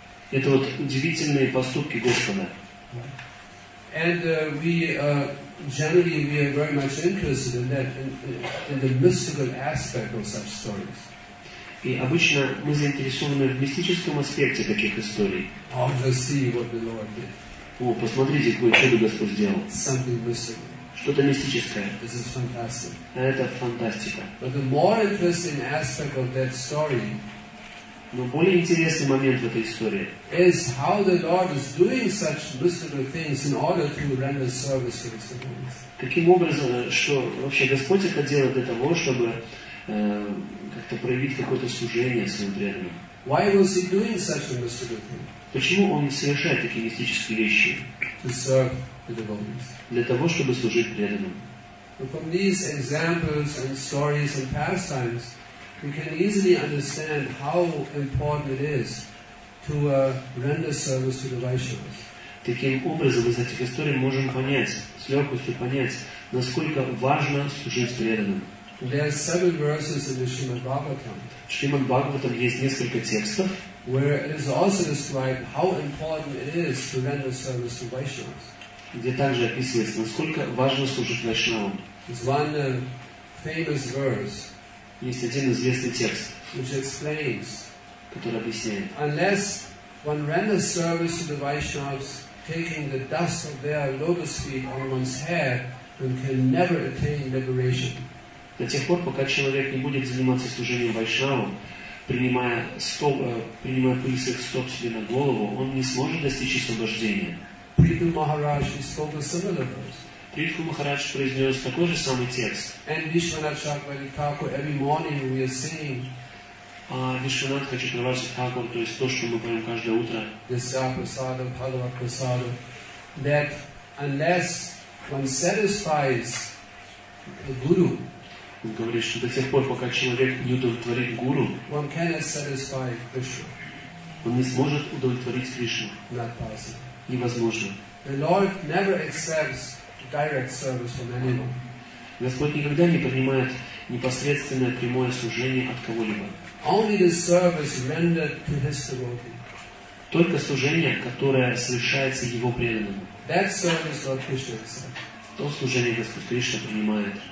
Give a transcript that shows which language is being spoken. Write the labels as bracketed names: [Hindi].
[Russian] Это вот удивительные поступки Господа. [English] And we generally we are very much interested in that in the mystical aspect of such stories. [Russian] И обычно мы заинтересованы в мистическом аспекте таких историй. [English] Oh, just see what the Lord did. [Russian] О, посмотрите, какое чудо Господь сделал. [English] Something mystical. [Russian] Что-то мистическое. [English] This is fantastic. [Russian] Это фантастика. [English] But the more interesting aspect of that story. [Russian] Но более интересный момент в этой истории. [English] Is how the Lord is doing such mystical things in order to render service to his devotees. [Russian] Каким образом, что вообще Господь это делает для того, чтобы как-то проявить какое-то служение своим преданным? [English] Why was he doing such a mystical thing? [Russian] Почему он совершает такие мистические вещи? [English] To serve the devotees. [Russian] Для того, чтобы служить преданным. [English] But from these examples and stories and pastimes, we can easily understand how important it is to render service to the Vaishnavas. [Russian] Таким образом, из этих историй можем понять, с легкостью понять, насколько важно служить преданным. [English] There are seven verses in the Srimad Bhagavatam. [Russian] В Шримад Бхагаватам есть несколько текстов, [English] where it is also described how important it is to render service to Vaishnavas. [Russian] Где также описывается, насколько важно служить Вайшнавам. [English] It's one famous verse. [Russian] Есть один известный текст, [English] which explains, [Russian] который объясняет. [English] Unless one renders service to the Vaishnavas, taking the dust of their lotus feet on one's hair, one can never attain liberation. [Russian] До тех пор, пока человек не будет заниматься служением Вайшнавам, принимая стоп, принимая пыль с их стоп себе на голову, он не сможет достичь освобождения. [English] Приту Махарадж spoke a similar verse. [Russian] Приту Махарадж произнес такой же самый текст. [English] And Vishwanath Chakravarti, every morning we are singing. [Russian] А Вишванат Хачатраварти Тхакур, то есть то, что мы поем каждое утро. [Sanskrit] Дасяпрасада, Бхагавапрасада. [English] That unless one satisfies the Guru, [Russian] он говорит, что до тех пор, пока человек не удовлетворит Гуру, [English] one cannot satisfy Krishna. [Russian] Он не сможет удовлетворить Кришну. [English] Not possible. [Russian] Невозможно. [English] The Lord never accepts direct service from anyone. [Russian] Господь никогда не принимает непосредственное прямое служение от кого-либо. [English] Only the service rendered to his devotee. [Russian] Только служение, которое совершается его преданному. [English] That service Lord Krishna accepts. [Russian] То служение Господь Кришна принимает.